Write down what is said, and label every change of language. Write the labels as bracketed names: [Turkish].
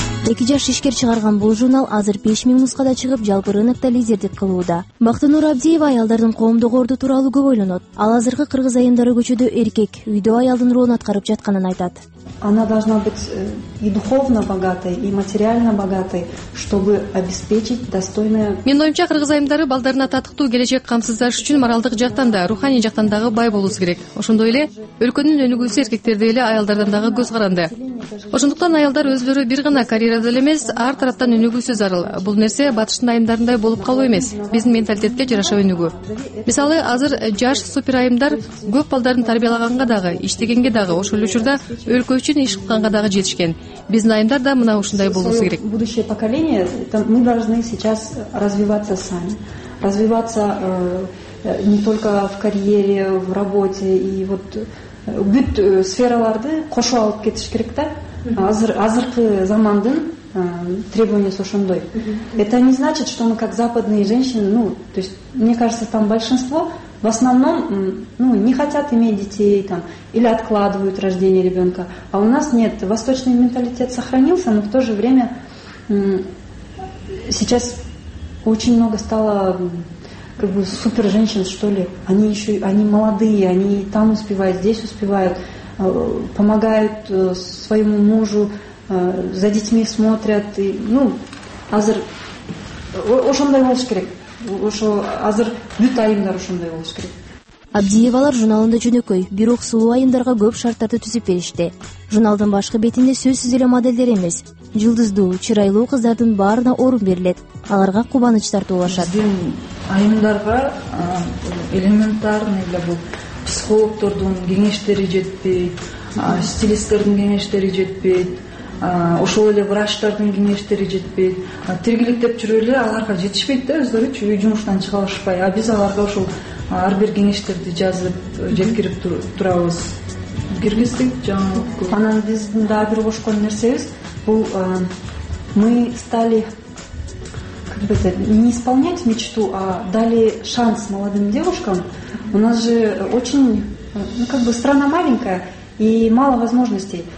[Kyrgyz] 2 жаш ишкер чыгарган бул журнал азыр 5000 нускада чыгып, жалпы рынокто лидердик кылууда. Бактынур Абдиева аялдардын коомдогу орду тууралуу көп ойлонот. Ал азыркы кыргыз айымдары көчөдө эркек, үйдө аялдын ролун аткарып жатканын айтат. [Russian] Она должна быть и духовно богатой, и материально богатой, чтобы обеспечить достойное. [Kyrgyz] Мен оюмча кыргыз айымдары балдарына татыктуу келечек камсыздаш үчүн моралдык жактан да, руханий жактан дагы бай болуусу керек. Ошондой эле өлкөнүн өнүгүүсү эркектерде эле аялдардан дагы көз каранды. Ошондуктан аялдар өзлөрү бир гана карьерада эле эмес, ар тараптан өнүгүүсү зарыл. Бул нерсе батыштын айымдарындай болуп калуу эмес, биздин менталитетке жараша өнүгүү. Мисалы, азыр жаш супер айымдар көп балдарын тарбиялаганга дагы, иштегенге дагы, ошол эле учурда өлкө үчүн иш кылганга дагы жетишкен. Биздин айымдар да мына ушундай болуусу керек. [Russian] Будущее поколение, мы должны сейчас развиваться сами. Развиваться не только в карьере, в работе и вот [Kyrgyz] бүт сфераларды кошо алып кетиш керек да. Азыркы замандын требованиясы ошондой. [Russian] Это не значит, что мы как западные женщины, ну, то есть, мне кажется, там большинство в основном, ну, не хотят иметь детей там или откладывают рождение ребёнка. А у нас нет, восточный менталитет сохранился, но в то же время сейчас очень много стало как бы супер женщин, что ли. Они ещё они молодые, они там успевают, здесь успевают, помогают своему мужу, за детьми смотрят, и, ну, [Kyrgyz] азыр ошондой болуш керек. Ошо азыр бүт айымдар ошондой болуш керек. Абдиевалар журналында жөнөкөй, бирок сулуу айымдарга көп шарттарды түзүп беришти. Журналдын башкы бетинде сөзсүз эле модельдер эмес. Жылдыздуу, чырайлуу кыздардын баарына орун берилет. Аларга кубанычтар тулашат. Биздин айымдарга элементарный эле бул психологдордун кеңештери жетпейт, стилисттердин кеңештери жетпейт. Ошол эле врачтардын кеңештери жетпейт. Тиргиликтеп жүрө эле аларга жетишпейт да, өздөрү жумуштан чыга алышпай. А биз аларга ошол ар бир кеңештерди жазып, жеткирип турабыз. Киргиздик жаңылык. Анан биздин дагы бир кошкон нерсебиз бул [Russian] мы стали как бы не исполнять мечту, а дали шанс молодым девушкам. У нас же очень, ну как бы страна маленькая и мало возможностей.